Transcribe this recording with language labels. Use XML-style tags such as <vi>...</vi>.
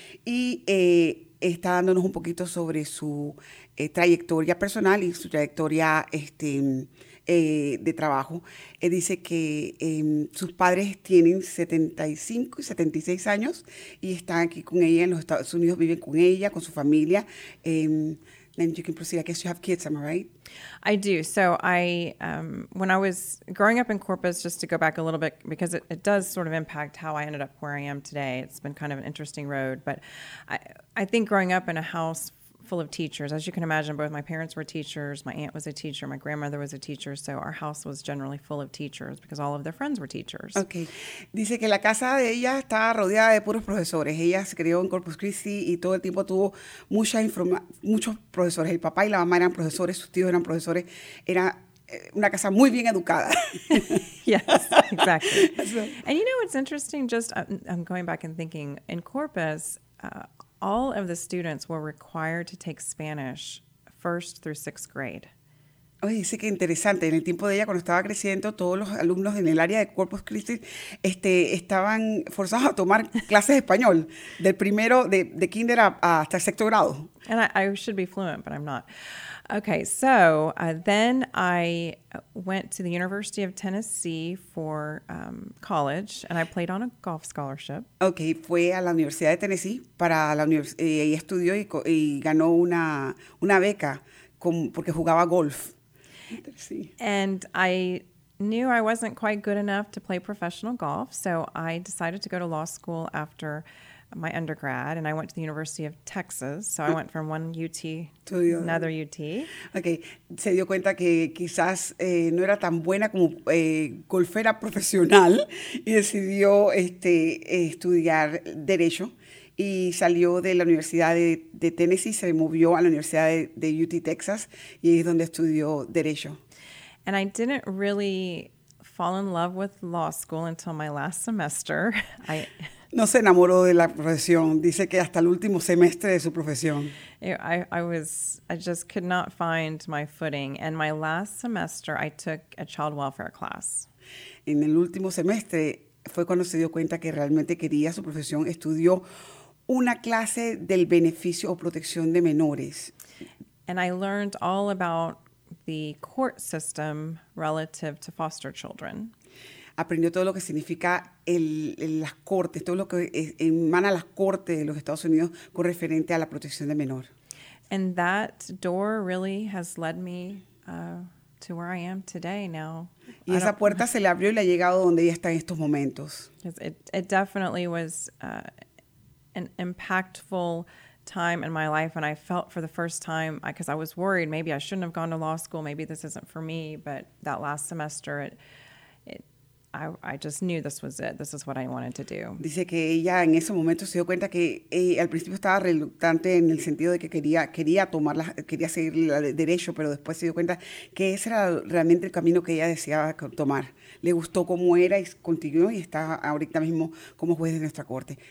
<es>Y está dándonos un poquito sobre su trayectoria personal y su trayectoria de trabajo. Dice que sus padres tienen 75 y 76 años y están aquí con ella en los Estados Unidos, viven con ella, con su familia.</es> <en>Then you can proceed. I guess you have kids, am I right? I do. So when I was growing up in Corpus, just to go back a little bit, because it does sort of impact how I ended up where I am today. It's been kind of an interesting road. But I think growing up in a house full of teachers. As you can imagine, both my parents were teachers, my aunt was a teacher, my grandmother was a teacher, so our house was generally full of teachers because all of their friends were teachers. Okay.</en> <es>Dice que la casa de ella estaba rodeada de puros profesores. Ella se crió en Corpus Christi y todo el tiempo tuvo muchos profesores. El papá y la mamá eran profesores, sus tíos eran profesores. Era una casa muy bien educada.</es> <en>Yes, exactly. And you know what's interesting, just I'm going back and thinking, in Corpus, all of the students were required to take Spanish first through sixth grade.</en> <es>Oye, sí, qué interesante. En el tiempo de ella, cuando estaba creciendo, todos los alumnos en el área de Corpus Christi estaban forzados a tomar clases de español del primero, de kinder hasta el sexto grado.</es> <en>And I should be fluent, but I'm not. Okay, so then I went to the University of Tennessee for college, and I played on a golf scholarship.</en> <es>Okay, fue a la Universidad de Tennessee para la y estudió y ganó una beca porque jugaba golf.</es> <en>And I knew I wasn't quite good enough to play professional golf, so I decided to go to law school after my undergrad, and I went to the University of Texas. So I went from one UT to another UT. Okay.</en> <es>Se dio cuenta que quizás no era tan buena como golfera profesional y decidió estudiar derecho y salió de la Universidad de Tennessee, se movió a la Universidad de UT Texas y ahí es donde estudió derecho.</es> <en>And I didn't really fall in love with law school until my last semester.</en> <es>No se enamoró de la profesión. Dice que hasta el último semestre de su profesión.</es> <en>I just could not find my footing. And my last semester, I took a child welfare class.</en> <es>En el último semestre fue cuando se dio cuenta que realmente quería su profesión. Estudió una clase del beneficio o protección de menores.</es> <en>And I learned all about the court system relative to foster children.</en> <es>Aprendió todo lo que significa las cortes, todo lo que emana las cortes de los Estados Unidos con referente a la protección de menor.</es> <en>And that door really has led me to where I am today now.</en> <es>Y esa puerta se le abrió y le ha llegado donde ella está en estos momentos.</es> <en>It definitely was an impactful time in my life, and I felt for the first time, because I was worried, maybe I shouldn't have gone to law school, maybe this isn't for me, but that last semester, I just knew this was it. This is what I wanted to do.</en> <es>Dice que ella en ese momento se dio cuenta que al principio estaba reluctante en el sentido de que quería tomar la, quería seguir el derecho, pero después se dio cuenta que ese era realmente el camino que ella deseaba tomar. Le gustó cómo era y continuó y está ahorita mismo como juez de nuestra corte.</es>